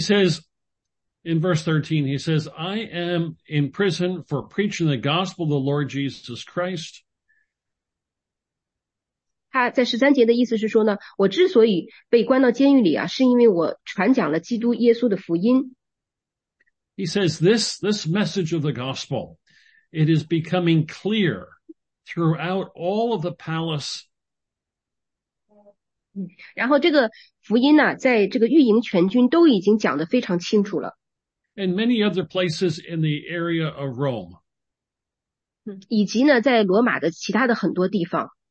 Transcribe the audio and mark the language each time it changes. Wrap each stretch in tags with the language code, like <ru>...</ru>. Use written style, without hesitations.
<en>says, in verse 13, he says, I am in prison for preaching the gospel of the Lord Jesus Christ.</en> <zh>他在13节的意思是说呢，我之所以被关到监狱里啊，是因为我传讲了基督耶稣的福音。</zh> <en>He says this message of the gospel, it is becoming clear throughout all of the palace.</en> <zh>然后这个福音呢，在这个御营全军都已经讲得非常清楚了。</zh> <en>And many other places in the area of Rome.</en> <zh>以及呢，在罗马的其他的很多地方。</zh>